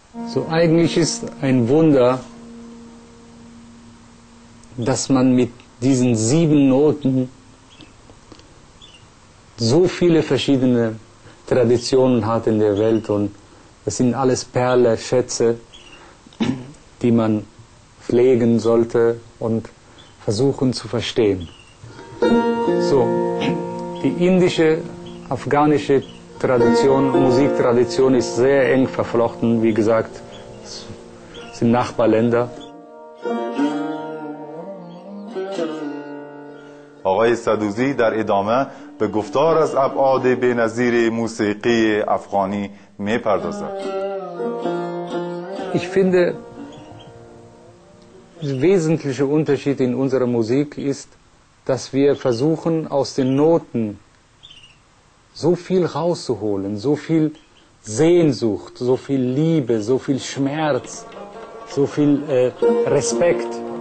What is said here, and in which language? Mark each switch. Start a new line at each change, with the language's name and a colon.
German: So, eigentlich ist ein Wunder, dass man mit diesen 7 Noten so viele verschiedene Traditionen hat in der Welt und das sind alles Perle, Schätze, die man pflegen sollte und versuchen zu verstehen. So, die indische, afghanische Tradition, Musiktradition ist sehr eng verflochten, wie gesagt, es sind Nachbarländer.
Persian: آقای صدوزی در ادامه به گفتار از ابعاد بی‌نظیر موسیقی افغانی می‌پردازد.
German: Ich finde, der wesentliche Unterschied in unserer Musik ist, dass wir versuchen, aus den Noten so viel rauszuholen, so viel Sehnsucht, so viel Liebe, so viel Schmerz, so viel Respekt.